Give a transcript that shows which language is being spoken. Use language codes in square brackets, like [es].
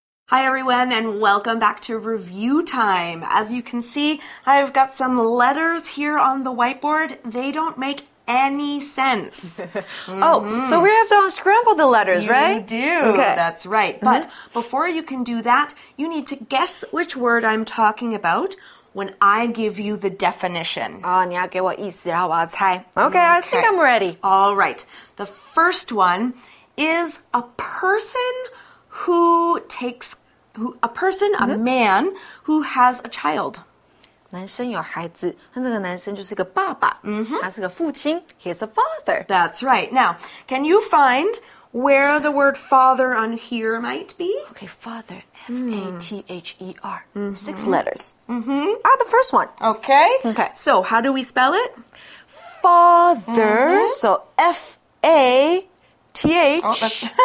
[en] Hi everyone, and welcome back to Review Time. As you can see, I've got some letters here on the whiteboard. They don't make any sense. Oh, so we have to unscramble the letters, right? You do. Okay. That's right. But before you can do that, you need to guess which word I'm talking about when I give you the definition. [zh] Oh, 你要给我意思，然后我要猜。 [en] Okay, I think I'm ready. All right. The first one is a person... a man who has a child. [zh] 男生有孩子，那这个男生就是个爸爸。他是个父亲 ， [en] he's a father. That's right. Now, can you find where the word father on here might be? Okay, father, F-A-T-H-E-R, six letters. The first one. Okay. So, how do we spell it? Father, so F-A-T-H.